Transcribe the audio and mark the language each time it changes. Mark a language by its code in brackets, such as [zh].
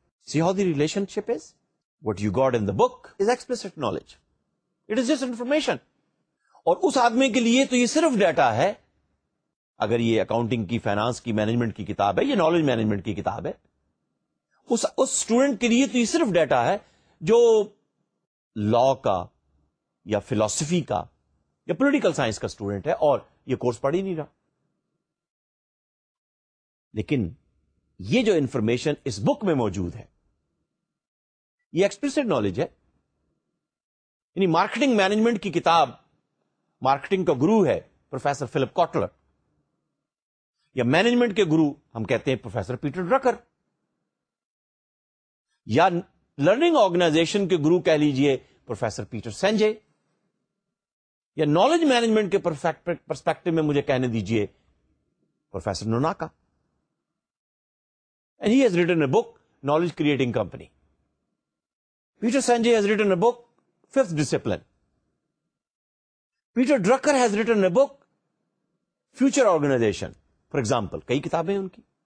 [en] See how the relationship is, what you got in the book is explicit knowledge, it is just information. [ur] اور اس آدمی کے لیے تو یہ صرف ڈیٹا ہے, اگر یہ اکاؤنٹنگ کی, فائنانس کی, مینجمنٹ کی کتاب ہے, یہ نالج مینجمنٹ کی کتاب ہے, اس اسٹوڈنٹ کے لیے تو یہ صرف ڈیٹا ہے جو لا کا یا فلاسفی کا یا پولیٹیکل سائنس کا اسٹوڈنٹ ہے اور یہ کورس پڑھ ہی نہیں رہا. لیکن یہ جو انفارمیشن اس بک میں موجود ہے یہ ایکسپلسٹ نالج ہے. یعنی مارکیٹنگ مینجمنٹ کی کتاب, مارکیٹنگ کا گرو ہے پروفیسر فلپ کوٹلر, یا مینجمنٹ کے گرو ہم کہتے ہیں پروفیسر پیٹر ڈرکر, یا لرننگ آرگنائزیشن کے گرو کہہ لیجئے پروفیسر پیٹر سینجے, یا نالج مینجمنٹ کے پرسپیکٹو میں مجھے کہنے دیجئے professor نوناکا. [en] And he has written a book, Knowledge Creating Company. Peter Sanjay has written a book, Fifth Discipline. Peter Drucker has written a book, Future Organization, for example. [ur] Kahi kitab hai unki.